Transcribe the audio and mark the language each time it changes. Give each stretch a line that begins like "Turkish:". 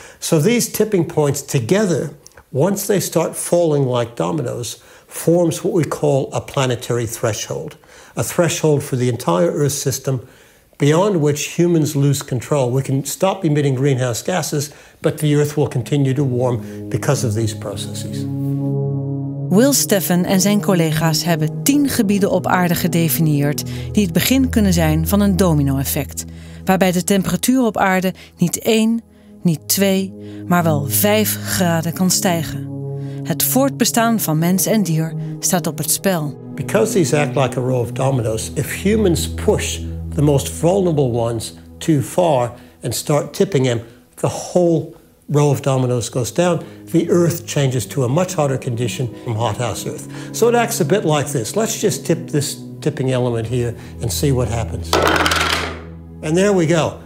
English: So these tipping points together, once they start falling like dominoes, forms what we call a planetary threshold, a threshold for the entire Earth system beyond which humans lose control. We can stop emitting greenhouse gases, but the Earth will continue to warm because of these processes.
Dutch: Will Steffen en zijn collega's hebben 10 gebieden op aarde gedefinieerd die het begin kunnen zijn van een domino-effect, waarbij de temperatuur op aarde niet 1, niet 2, maar wel 5 graden kan stijgen. Het voortbestaan van mens en dier staat op het spel.
English: Because these act like a row of dominoes, if humans push the most vulnerable ones too far and start tipping them, the whole row of dominoes goes down, the Earth changes to a much hotter condition from hothouse Earth. So it acts a bit like this. Let's just tip this tipping element here and see what happens. And there we go.